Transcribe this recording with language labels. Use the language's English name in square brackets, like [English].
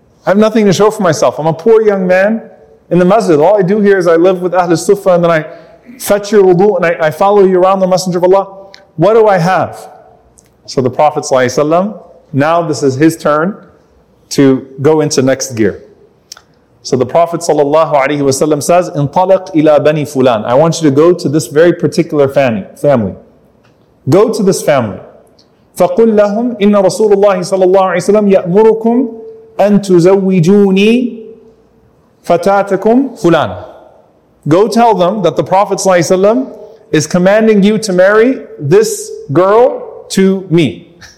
[English] I have nothing to show for myself. I'm a poor young man in the masjid. All I do here is I live with Ahlul Sufa and then I fetch your wudu and I follow you around, the Messenger of Allah. What do I have? So the Prophet ﷺ, now this is his turn to go into next gear. So the Prophet ﷺ says, [Arabic] انطلق إلى بني فلان. [English] I want you to go to this very particular family. Go to this family. [Arabic] فَقُلْ لَهُمْ إِنَّ رَسُولُ اللَّهِ صَلَى اللَّهُ عَلَيْهِ وَسَلَّمْ يَأْمُرُكُمْ أَن تُزَوِّجُونِي فَتَاتَكُمْ فلان. [English] Go tell them that the Prophet ﷺ is commanding you to marry this girl to me.